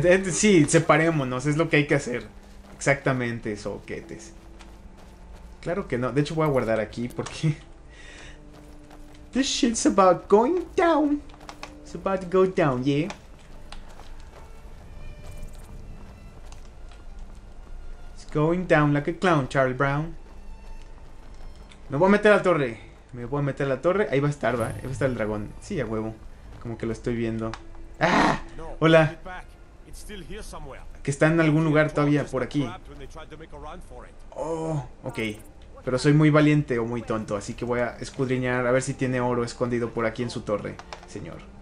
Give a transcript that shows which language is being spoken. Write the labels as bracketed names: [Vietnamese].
[Spanish] Sí, separémonos, es lo que hay que hacer. Exactamente, soquetes. Claro que no, de hecho voy a guardar aquí porque... [English] This shit's about going down. It's about to go down, yeah. It's going down like a clown, Charlie Brown. [Spanish] Me voy a meter a la torre. Me voy a meter a la torre, ahí va a estar, va. Ahí va a estar el dragón, sí, a huevo. Como que lo estoy viendo. ¡Ah! Hola. Que está en algún lugar todavía por aquí. Oh, ok. Pero soy muy valiente o muy tonto, así que voy a escudriñar a ver si tiene oro escondido por aquí en su torre, señor.